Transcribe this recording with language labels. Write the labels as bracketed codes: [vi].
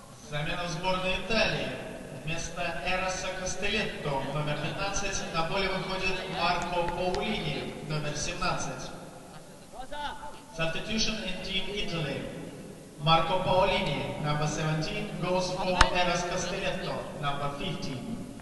[ru] Замена в сборной Италии. Вместо Эроса Кастелетто, номер 15, на поле выходит Марко Паулини, номер 17. [en] Substitution in Team Italy. Марко Паулини, number 17, goes for Эрос Кастелетто, number 15.